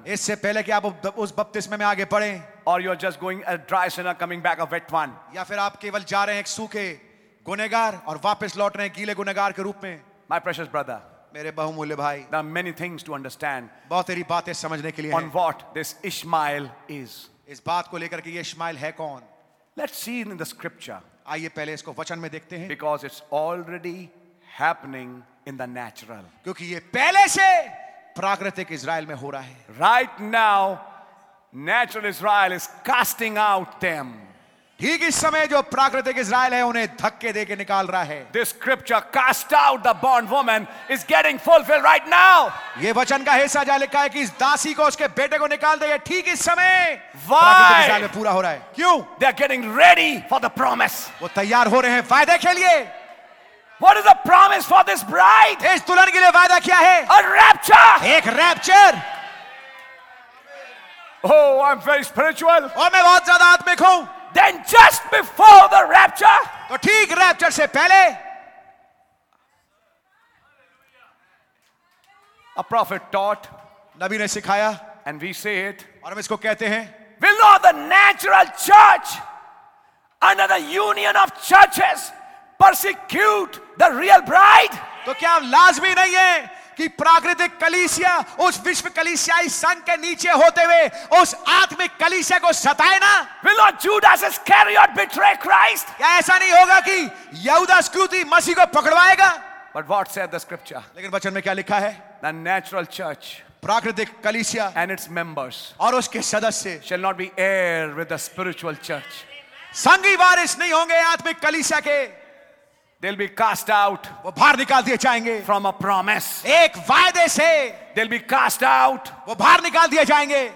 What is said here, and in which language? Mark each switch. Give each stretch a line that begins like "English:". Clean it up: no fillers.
Hindi: इससे पहले कि आप उस बपतिस्मे में आगे बढ़ें,
English: or you are just going a dry sinner coming back a wet one,
Hindi: या फिर आप केवल जा रहे हैं एक सूखे गुनेगार और वापस लौट रहे हैं गीले गुनेगार के रूप में।
English: My precious brother,
Hindi: मेरे बहुमूल्य भाई,
English: there are many things to understand,
Hindi: बहुत सारी बातें समझने के लिए,
English: on what this Ishmael is,
Hindi: इस बात को लेकर कि ये इश्माइल है कौन?
English: Let's see in the scripture.
Hindi: आइए पहले इसको वचन में देखते हैं.
English: Because it's already happening in the natural.
Hindi: क्योंकि ये पहले से प्राकृतिक इज़राइल में हो रहा है.
English: Right now, natural Israel is casting out them.
Hindi: ठीक इस समय जो प्राकृतिक इज़राइल है उन्हें धक्के देके निकाल रहा है.
English: This scripture, cast out the bond woman, is getting fulfilled right now.
Hindi: ये वचन का हिस्सा जा लिखा है कि इस दासी को उसके बेटे को निकाल देगा ठीक इस समय.
English: Why?
Hindi: प्राकृतिक इज़राइल में पूरा हो रहा है. क्यों?
English: They are getting ready for the promise.
Hindi: वो तैयार हो रहे हैं वायदे के लिए.
English: What is the promise for this bride?
Hindi: इस दुल्हन के लिए वायदा क्या है?
English: A rapture.
Hindi: एक rapture.
English: Oh, I'm very spiritual.
Hindi: और मैं बहुत ज्यादा आत्मिक हूं.
English: Then just before the rapture,
Hindi: तो ठीक रैप्चर से पहले,
English: a prophet taught,
Hindi: नबी ने सिखाया,
English: and we say it,
Hindi: और हम इसको कहते हैं,
English: will not the natural church under the union of churches persecute the real bride?
Hindi: तो क्या लाजमी नहीं है कि प्राकृतिक कलीसिया उस विश्व कलीसियाई संघ के नीचे होते हुए उस आत्मिक कलीसिया को सताए ना?
English: Will not Judas Iscariot betray Christ?
Hindi: क्या ऐसा नहीं होगा कि यहूदा इस्करियोती मसीह को पकड़वाएगा?
English: But what said the scripture?
Hindi: लेकिन वचन में क्या लिखा है?
English: The natural church,
Hindi: प्राकृतिक कलीसिया,
English: and its members,
Hindi: और उसके सदस्य,
English: shall not be heir with the spiritual church.
Hindi: संघी वारिस नहीं होंगे आत्मिक कलीसिया के.
English: They'll be cast out.
Hindi: वो बाहर निकाल दिए जाएंगे.
English: From a promise.
Hindi: एक वायदे से.
English: They'll be cast out.
Hindi: वो बाहर निकाल दिए जाएंगे.